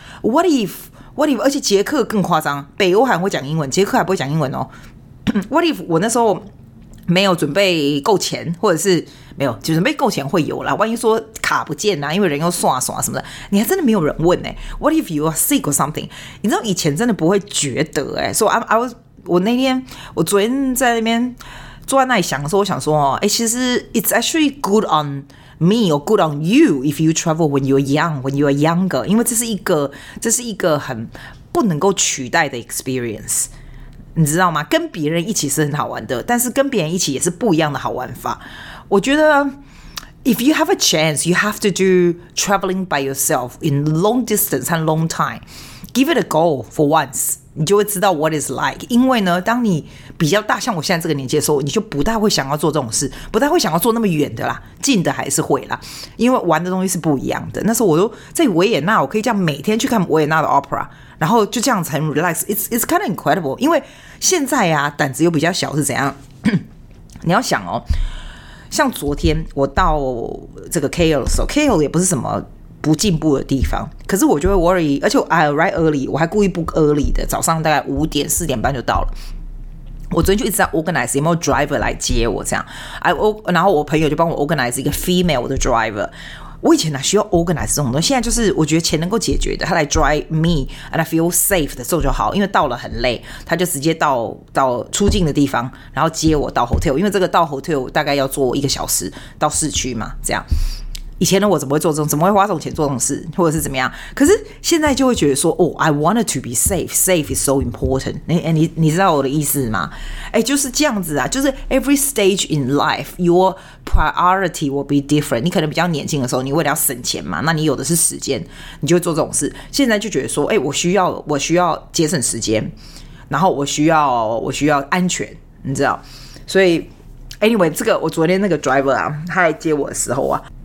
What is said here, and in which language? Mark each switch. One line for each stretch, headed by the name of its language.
English: What if,
Chinese: 而且捷克更夸张，北欧还会讲英文，捷克还不会讲英文哦。
English: What if
Chinese: 我那时候没有准备够钱，或者是没有，就准备够钱会有啦，万一说卡不见啊，因为人又刷刷什么的，你还真的没有人问欸。
English: What if you are sick or something？
Chinese: 你知道以前真的不会觉得欸。
English: So I was
Chinese: 昨天在那边坐在那里想的时候，我想说欸，其实
English: it's actually good on me or good on you if you travel when you're young, when you're younger，
Chinese: 因为这是一个很不能够取代的 experience， 你知道吗？跟别人一起是很好玩的，但是跟别人一起也是不一样的好玩法。我觉得
English: if you have a chance, you have to do traveling by yourself in long distance and long time, give it a go for once，
Chinese: 你就会知道
English: what is like。
Chinese: 因为呢，当你比较大，像我现在这个年纪的时候，你就不太会想要做这种事，不太会想要做那么远的啦，近的还是会啦，因为玩的东西是不一样的。那时候我都在维也纳，我可以这样每天去看维也纳的 opera， 然后就这样子很 relax。
English: It's kind of incredible。
Chinese: 因为现在啊，胆子又比较小是怎样？你要想哦，像昨天我到这个 KL 的时候， KL 也不是什么不进步的地方，可是我就会 worry， 而且
English: I arrive early，
Chinese: 我还故意
English: book early
Chinese: 的，早上大概五点四点半就到了。我昨天就一直在 organize 有没有 driver 来接我这样，然后我朋友就帮我 organize 一个 female 的 driver。我以前哪需要 organize 这种东西，现在就是我觉得钱能够解决的，他来
English: drive me and I feel safe
Chinese: 的时候就好，因为到了很累，他就直接到出境的地方，然后接我到 hotel， 因为这个到 hotel 大概要坐一个小时到市区嘛，这样。以前的我怎么会做这种，怎么会花这种钱做这种事，或者是怎么样？可是现在就会觉得说，哦 ，
English: I wanted to be safe. Safe is so important.
Chinese: 你知道我的意思吗？哎，就是这样子啊，就是
English: every stage in life, your priority will be different.
Chinese: 你可能比较年轻的时候，你为了要省钱嘛，那你有的是时间，你就会做这种事。现在就觉得说，哎，我需要节省时间，然后我需要安全，你知道？所以 ，anyway， 这个我昨天那个 driver 啊，他来接我的时候啊。